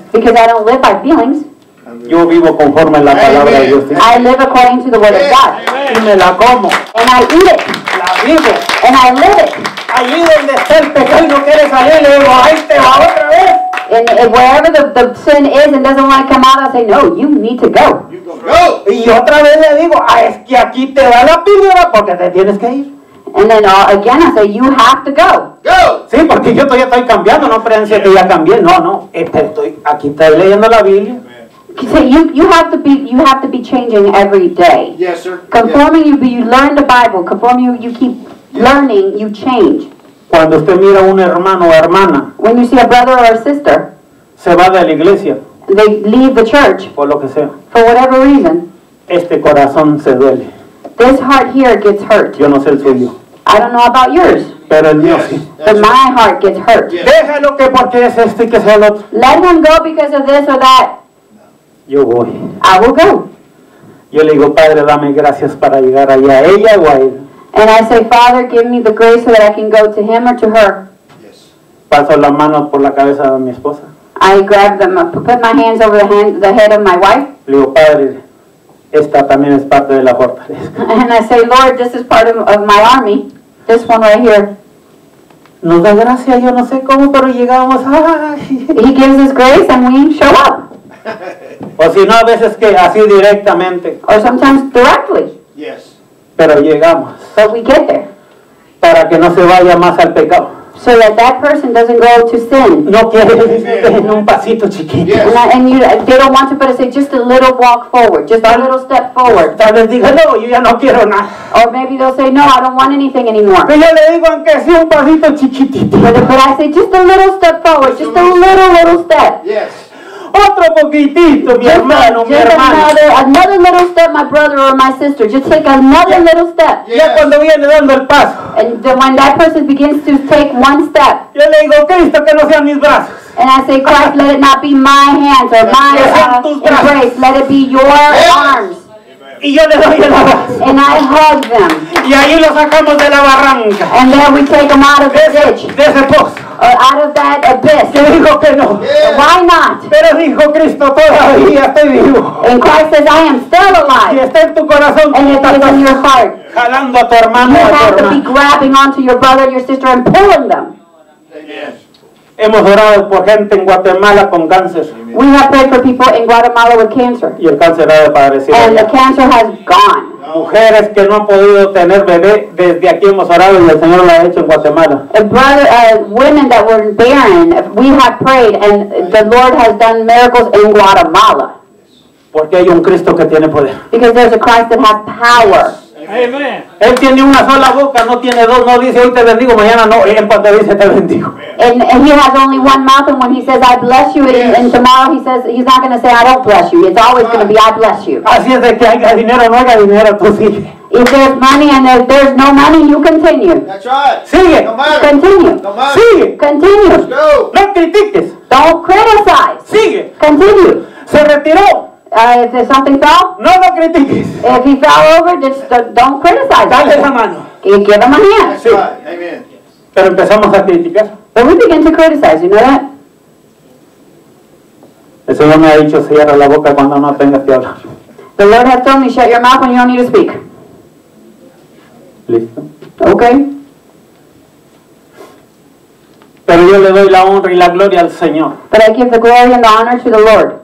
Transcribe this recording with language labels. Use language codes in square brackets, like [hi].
[en] Because I don't live by feelings. [es] Yo vivo conforme a la palabra [en] Amen. [es] De Dios. [en] I live according to the word Amen. Of God. Amen. [es] Y me la como. [en] And I eat it. [es] La vivo. [en] And I live it. [es] Allí donde está el pecado quiere salir, le digo, ahí te va otra vez. [en] And wherever the sin is and doesn't want to come out, I say, no, you need to go. You go. [es] Y otra vez le digo, es que aquí te va la piedra porque te tienes que ir. [en] And then again, I say, you have to go. Go. [es] Sí, porque yo todavía estoy cambiando, no creencia yeah. que ya cambié. No, no. Estoy aquí estoy leyendo la Biblia. [en] So you have to be changing every day. Yes, sir. Conforming, yes. You learn the Bible. Conform, you keep yes. learning, you change. [es] Cuando usted mira a un hermano o hermana, [en] when you see a brother or a sister, [es] se va de la iglesia, [en] they leave the church, [es] por lo que sea, [en] for whatever reason, [es] este corazón se duele, [en] this heart here gets hurt, [es] yo no sé el suyo, [en] I don't know about yours, [es] pero el mío [en] yes, [es] sí, [en] but right. my heart gets hurt, yes. [es] déjalo que porque es este que sea el otro, [en] let him go because of this or that, [es] yo voy, [en] I will go, [es] yo le digo, Padre, dame gracias para llegar allá, a ella o a él. [en] And I say, Father, give me the grace so that I can go to him or to her. Yes. [es] Paso la mano por la cabeza de mi esposa. [en] I grab them, put my hands over the head of my wife. [es] Le digo, Padre, esta también es parte de la fortaleza. [en] And I say, Lord, this is part of my army. This one right here. [es] Nos da gracia, yo no sé cómo, pero llegamos. [en] He gives us grace and we show up. [es] O si no, a veces que así directamente. [en] Or sometimes directly. Yes. [es] Pero llegamos. [en] So we get there. [es] Para que no se vaya más al pecado. [en] So that person doesn't go to sin. [es] No quiere en un pasito chiquito. [en] Yes. They don't want to, but say just a little walk forward, just a little step forward. [es] Tal vez diga, no, yo ya no quiero nada. [en] Or maybe they'll say, no, I don't want anything anymore. [es] Pero yo le digo, aunque sea un pasito chiquitito. [en] But I say just a little step forward, just a little step. Yes. [es] Otro poquitito, mi hermano, mi hermana. [en] Another little step, my brother or my sister. Just take another little step. Ya yes. [es] cuando viene dando el paso. [en] And then when that person begins to take one step. [es] Yo le digo, Cristo, que no sean mis brazos. [en] And I say, Christ, let it not be my hands or my embrace. Let it be your arms. [es] Y yo le doy el [en] abrazo. And I hug them. [es] Y ahí lo sacamos de la barranca. [en] And then we take them out of the ditch. [es] De ese pozo. [en] out of that abyss. [es] Yo digo que no. [en] Yeah. Why not? [es] Pero dijo Cristo, todavía estoy vivo. [en] And Christ says, I am still alive. [es] Y está en tu corazón. [en] And it is in your heart. [es] Jalando a tu hermano, [en] you [es] a tu [en] have [es] hermano. [en] To be grabbing onto your brother, your sister, and pulling them. [es] Hemos orado por gente en Guatemala con cáncer. [en] We have prayed for people in Guatemala with cancer. [es] Y el cáncer ha desaparecido. [en] And the cancer has gone. [es] Mujeres que no han podido tener bebé, desde aquí hemos orado y el Señor lo ha hecho en Guatemala. [en] Women that were barren, we have prayed and the Lord has done miracles in Guatemala. [es] Porque hay un Cristo que tiene poder. [en] Because there's a Christ that has power. Amen. [es] Él tiene una sola boca, no tiene dos, no dice hoy te bendigo, mañana no, en cuanto dice te bendigo. [en] And he has only one mouth, and when he says I bless you, yes. And tomorrow he says, he's not going to say I don't bless you, it's always going to be I bless you. [es] Así es de que haya dinero o no haya dinero, tú sigue. [en] If there's money and if there's no money, you continue. That's right. [es] Sigue. [en] No matter. Continue. No matter. [es] Sigue. [en] Continue. Let's go. [es] No critiques. [en] Don't criticize. [es] Sigue. [en] Continue. [es] Se retiró. [en] If there's something fell, [es] no lo critiques. [en] If he fell over, just don't criticize. [es] Dale esa mano. [en] Y give him a hand. That's right. Amen. [es] Pero empezamos a criticar. [en] But we begin to criticize, you know that? [es] El Señor me ha dicho, cierra la boca cuando no tengas que hablar. [en] The Lord has told me, shut your mouth when you don't need to speak. [es] Listo. [en] Okay. [es] Pero yo le doy la honra y la gloria al Señor. [en] But I give the glory and the honor to the Lord.